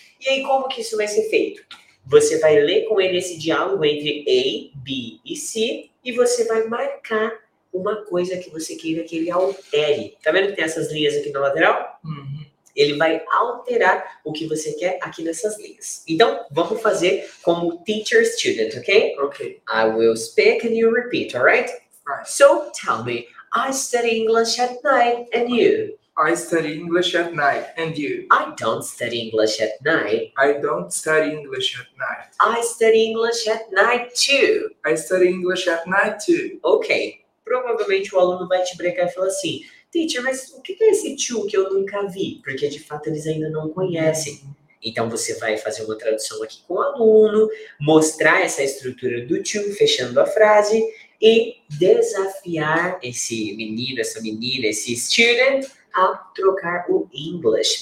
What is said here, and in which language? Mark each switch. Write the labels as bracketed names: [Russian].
[Portuguese] E aí como que isso vai ser feito? Você vai ler com ele esse diálogo entre A, B e C e você vai marcar uma coisa que você queira que ele altere. Tá vendo que tem essas linhas aqui na lateral? Ele vai alterar o que você quer aqui nessas linhas. Então, vamos fazer como teacher student, ok? [English] Ok. I will speak and you repeat, alright? Right. So, tell me, I study English at night and you? I study English at night and you? I don't study English at night. I don't study English at night. I study English at night too. I study English at night too. Ok. [Portuguese] Provavelmente o aluno vai te brecar e falar assim, teacher, mas o que é esse to que eu nunca vi? Porque, de fato, eles ainda não conhecem. Então, você vai fazer uma tradução aqui com o aluno, mostrar essa estrutura do to, fechando a frase, e desafiar esse menino, essa menina, esse student, a trocar o English.